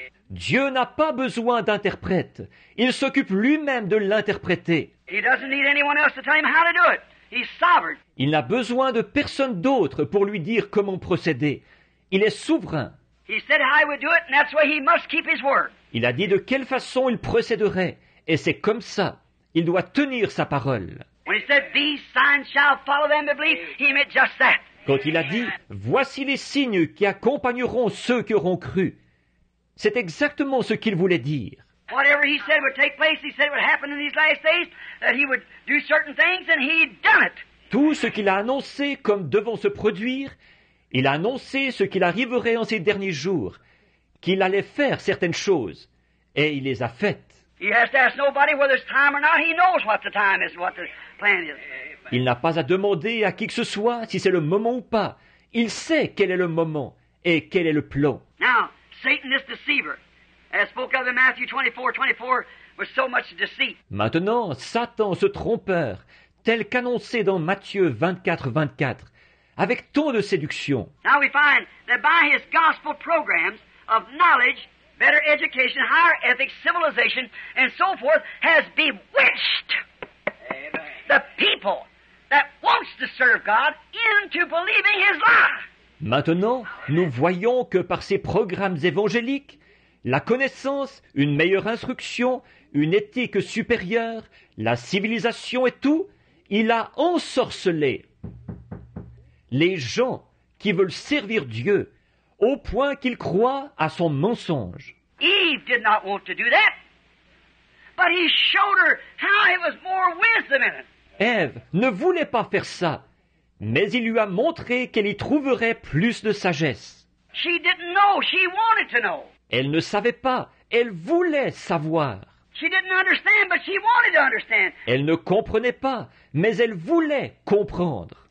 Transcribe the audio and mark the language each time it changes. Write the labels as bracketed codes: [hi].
[fr] Dieu n'a pas besoin d'interprète. Il s'occupe lui-même de l'interpréter. [en] He doesn't need anyone else to tell him how to do it. He's sovereign. [fr] Il n'a besoin de personne d'autre pour lui dire comment procéder. Il est souverain. [en] He said how he would do it, and that's why he must keep his word. [fr] Il a dit de quelle façon il procéderait, et c'est comme ça. Il doit tenir sa parole. [en] When he said these signs shall follow them that believe, he meant just that. [fr] Quand il a dit, voici les signes qui accompagneront ceux qui auront cru. C'est exactement ce qu'il voulait dire. [en] Whatever he said would take place, he said it would happen in these last days, that he would do certain things, and he'd done it. [fr] Tout ce qu'il a annoncé comme devant se produire, il a annoncé ce qu'il arriverait en ces derniers jours, qu'il allait faire certaines choses, et il les a faites. [en] He has to ask nobody whether it's time or not. He knows what the time is, what the plan is. [fr] Il n'a pas à demander à qui que ce soit si c'est le moment ou pas. Il sait quel est le moment et quel est le plan. [en] Now, Satan, this deceiver, as spoke of in Matthew 24:24, was so much deceit. [fr] Maintenant, Satan, ce trompeur, tel qu'annoncé dans Matthieu 24:24, avec tant de séduction. [en] Now we find that by his gospel programs of knowledge, better education, higher ethics, civilization, and so forth, has bewitched the people that wants to serve God into believing his lie. [fr] Maintenant, nous voyons que par ces programmes évangéliques, la connaissance, une meilleure instruction, une éthique supérieure, la civilisation et tout, il a ensorcelé les gens qui veulent servir Dieu au point qu'ils croient à son mensonge. [en] Eve did not want to do that, but he showed her how it was more wisdom in it. [fr] Ève ne voulait pas faire ça, mais il lui a montré qu'elle y trouverait plus de sagesse. [en] She didn't know, she wanted to know. [fr] Elle ne savait pas, elle voulait savoir. [en] She didn't understand, but she wanted to understand. [fr] Elle ne comprenait pas, mais elle voulait comprendre.